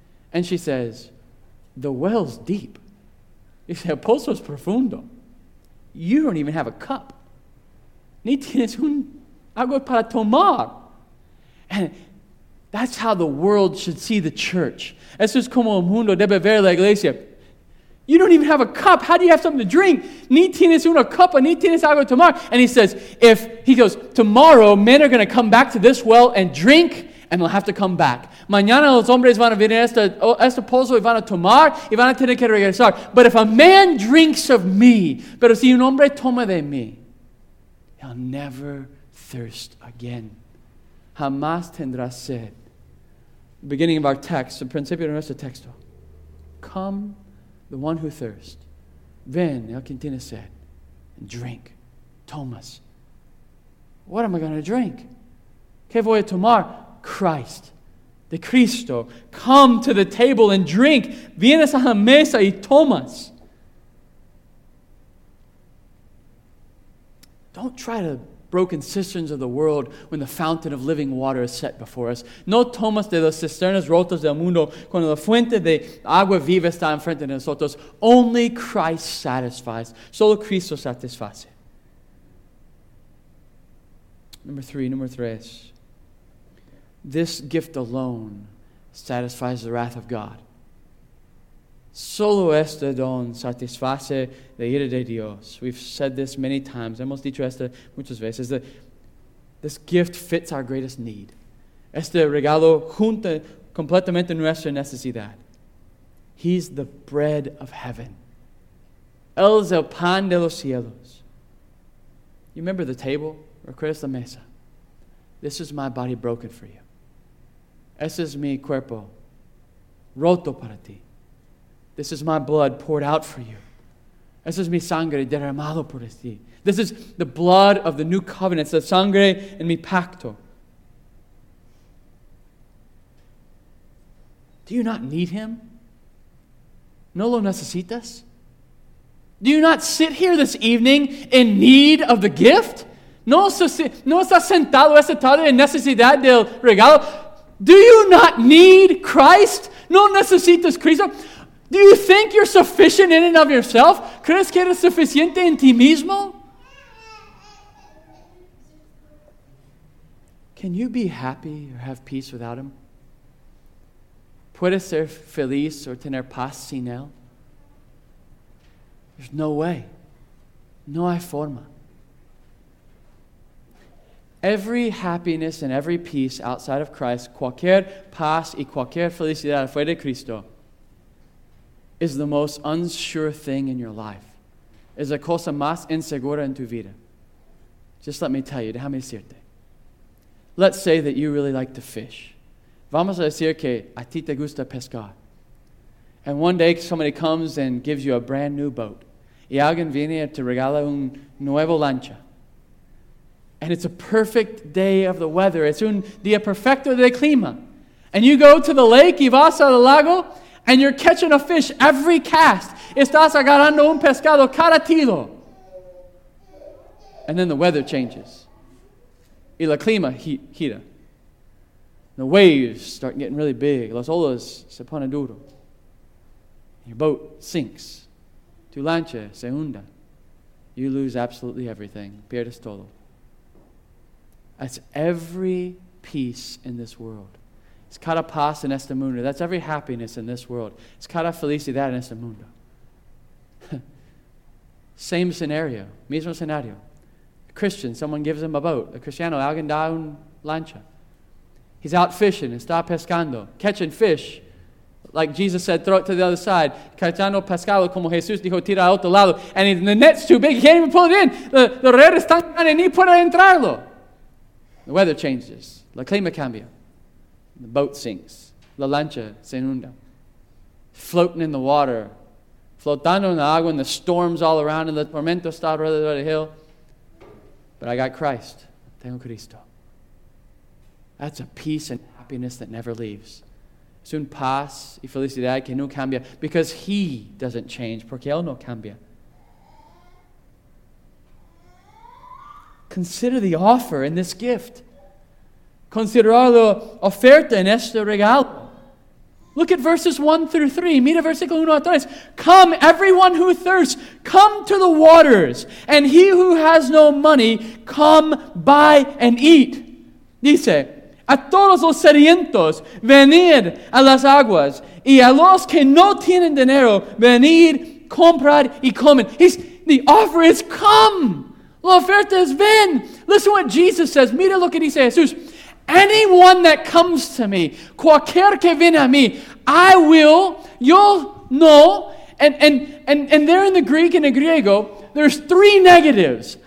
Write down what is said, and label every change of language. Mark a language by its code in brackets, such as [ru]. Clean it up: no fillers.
[en] And she says, the well's deep. [es] Dice, el pozo es profundo. [en] You don't even have a cup. [es] Ni tienes un agua para tomar. [en] And that's how the world should see the church. [es] Eso es como el mundo debe ver la iglesia. [en] You don't even have a cup. How do you have something to drink? [es] Ni tienes una copa, ni tienes agua para tomar. [en] And he says, tomorrow men are going to come back to this well and drink, and they'll have to come back. [es] Mañana los hombres van a venir a este pozo y van a tomar y van a tener que regresar. [en] But if a man drinks of me, [es] pero si un hombre toma de mí, [en] he'll never thirst again. [es] Jamás tendrá sed. [en] Beginning of our text, the [es] principio de nuestro texto. [en] Come, the one who thirsts. [es] Ven, el que tiene sed. [en] And drink. [es] Tomas. [en] What am I going to drink? [es] ¿Qué voy a tomar? [en] Christ. [es] De Cristo, [en] come to the table and drink. [es] Vienes a la mesa y tomas. [en] Don't try the broken cisterns of the world when the fountain of living water is set before us. [es] No tomas de las cisternas rotas del mundo cuando la fuente de agua viva está enfrente de nosotros. [en] Only Christ satisfies. [es] Solo Cristo satisface. [en] Number three. This gift alone satisfies the wrath of God. [es] Solo este don satisface la ira de Dios. [en] We've said this many times. [es] Hemos dicho esto muchas veces. [en] This gift fits our greatest need. [es] Este regalo junta completamente nuestra necesidad. [en] He's the bread of heaven. [es] Él es el pan de los cielos. [en] You remember the table? [es] Recuerdas la mesa? [en] This is my body broken for you. [es] Ese es mi cuerpo roto para ti. [en] This is my blood poured out for you. [es] Ese es mi sangre derramado por ti. [en] This is the blood of the new covenant, the [es] sangre en mi pacto. [en] Do you not need him? [es] ¿No lo necesitas? [en] Do you not sit here this evening in need of the gift? [es] ¿No estás sentado esta tarde en necesidad del regalo? [en] Do you not need Christ? [es] ¿No necesitas Cristo? [en] Do you think you're sufficient in and of yourself? [es] ¿Crees que eres suficiente en ti mismo? [en] Can you be happy or have peace without him? [es] ¿Puedes ser feliz o tener paz sin él? [en] There's no way. [es] No hay forma. [en] Every happiness and every peace outside of Christ, [es] cualquier paz y cualquier felicidad fuera de Cristo, [en] is the most unsure thing in your life. [es] Es la cosa más insegura en tu vida. [en] Just let me tell you, [es] déjame decirte. [en] Let's say that you really like to fish. [es] Vamos a decir que a ti te gusta pescar. [en] And one day somebody comes and gives you a brand new boat. [es] Y alguien viene y te regala un nuevo lancha. [en] And it's a perfect day of the weather. It's [es] un día perfecto de clima. [en] And you go to the lake [es] y vas al lago [en] and you're catching a fish every cast. [es] Estás agarrando un pescado cada tiro. [en] And then the weather changes. [es] Y la clima gira. [en] The waves start getting really big. [es] Las olas se ponen duro. [en] Your boat sinks. [es] Tu lancha se hunda. [en] You lose absolutely everything. [es] Pierdes todo. [en] That's every peace in this world. It's [es] cada paz en este mundo. [en] That's every happiness in this world. [es] It's cada felicidad en este mundo. [en] Same scenario. [es] Mismo scenario. [en] A Christian, someone gives him a boat. [es] A Cristiano, alguien da un lancha. [en] He's out fishing, [es] está pescando, [en] catching fish. Like Jesus said, throw it to the other side. [es] Cachando pescado, como Jesús dijo, tira a otro lado. [en] And the net's too big, he can't even pull it in. The red is [es] tan grande, ni puede entrarlo. [en] The weather changes. [es] La clima cambia. [en] The boat sinks. [es] La lancha se inunda. [en] Floating in the water. [es] Flotando en la agua, [en] and the storm's all around, and the [es] tormento está alrededor [en] of the hill. But I got Christ. [es] Tengo Cristo. [en] That's a peace and happiness that never leaves. [es] Es un paz y felicidad que no cambia. [en] Because he doesn't change. [es] Porque él no cambia. [en] Consider the offer in this gift. [es] Considerar la oferta en este regalo. [en] Look at verses 1 through 3. [es] Mira versículo 1 a 3. [en] Come, everyone who thirsts, come to the waters. And he who has no money, come, buy, and eat. [es] Dice, a todos los sedientos, venid a las aguas. Y a los que no tienen dinero, venid, comprad y comen. [en] The offer is come. [es] La oferta es ven. [en] Listen to what Jesus says. [es] Mira lo que dice Jesús. [en] Anyone that comes to me, [es] cualquier que viene a mí, [en] I will, you'll know. And there in the Greek and the griego, there's three negatives.